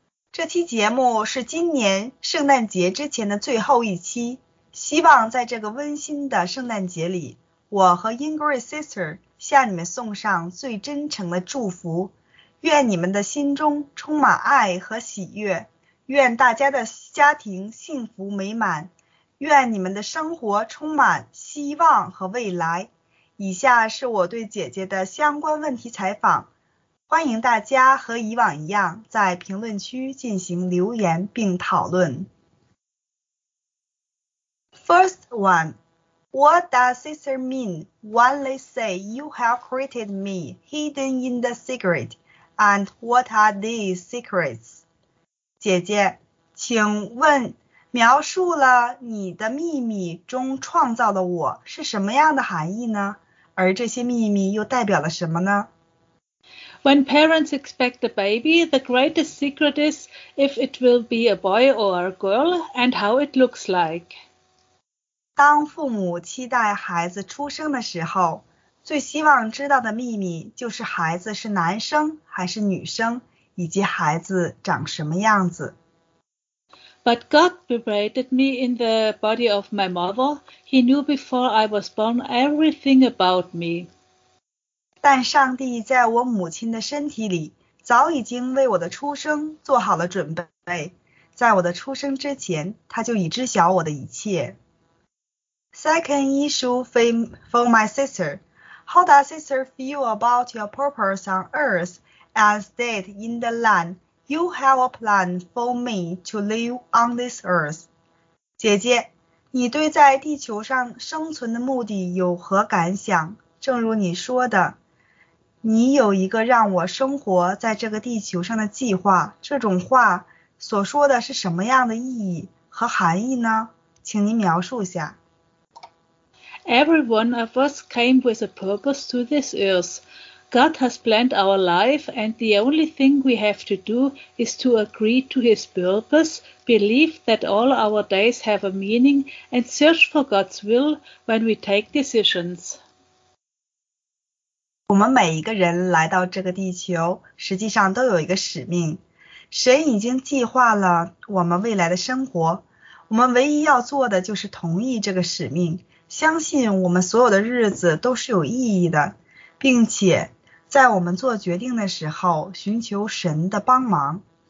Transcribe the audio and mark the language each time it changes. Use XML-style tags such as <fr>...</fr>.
<zh>这期节目是今年圣诞节之前的最后一期，希望在这个温馨的圣诞节里，我和 Ingrid Sister 向你们送上最真诚的祝福，愿你们的心中充满爱和喜悦，愿大家的家庭幸福美满，愿你们的生活充满希望和未来。以下是我对姐姐的相关问题采访，欢迎大家和以往一样在评论区进行留言并讨论。</zh> <en>First one, what does sister mean when they say you have created me hidden in the secret, and what are these secrets?</en> <zh>姐姐，请问描述了你的秘密中创造的我是什么样的含义呢？而这些秘密又代表了什么呢？</zh> <en>When parents expect a baby, the greatest secret is if it will be a boy or a girl and how it looks like.</en> <zh>当父母期待孩子出生的时候，最希望知道的秘密就是孩子是男生还是女生，以及孩子长什么样子。</zh> <en>But God created me in the body of my mother. He knew before I was born everything about me.</en> <zh>但上帝在我母亲的身体里早已经为我的出生做好了准备，在我的出生之前他就已知晓我的一切。</zh> <en>Second issue for my sister. How does sister feel about your purpose on earth and state in the land? You have a plan for me to live on this earth.</en> <zh>姐姐，你对在地球上生存的目的有何感想？正如你说的，你有一个让我生活在这个地球上的计划，这种话所说的是什么样的意义和含义呢？请您描述下。</zh> <en>Every one of us came with a purpose to this earth. God has planned our life, and the only thing we have to do is to agree to His purpose, believe that all our days have a meaning, and search for God's will when we take decisions.</en> <zh>我们每一个人来到这个地球，实际上都有一个使命。神已经计划了我们未来的生活，我们唯一要做的就是同意这个使命，相信我们所有的日子都是有意义的，并且在我们做决定的时候寻求神的帮忙。</zh>